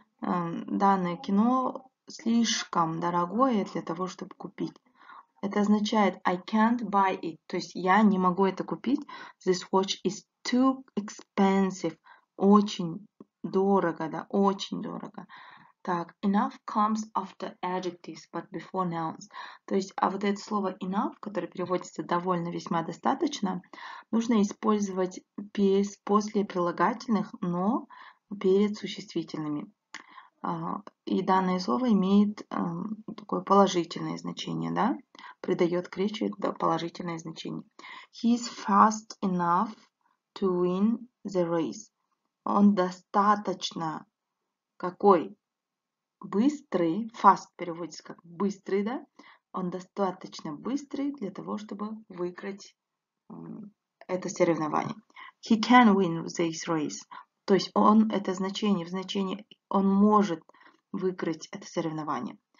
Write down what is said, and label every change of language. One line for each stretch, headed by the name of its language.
Russian: Данное кино слишком дорогое для того, чтобы купить. Это означает
English: I can't buy it.
Russian: То есть я не могу это купить.
English: This watch is too expensive.
Russian: Очень дорого, да, очень дорого.
English: Так, enough comes after adjectives, but before nouns.
Russian: То есть, а вот это слово enough, которое переводится довольно, весьма, достаточно, нужно использовать после прилагательных, но перед существительными. И данное слово имеет такое положительное значение, да? Придает к речи положительное значение.
English: He is fast enough to win the race.
Russian: Он достаточно какой? Быстрый, fast переводится как быстрый, да? Он достаточно быстрый для того, чтобы выиграть это соревнование.
English: He can win this race.
Russian: То есть он, это значение, в значении он может выиграть это соревнование.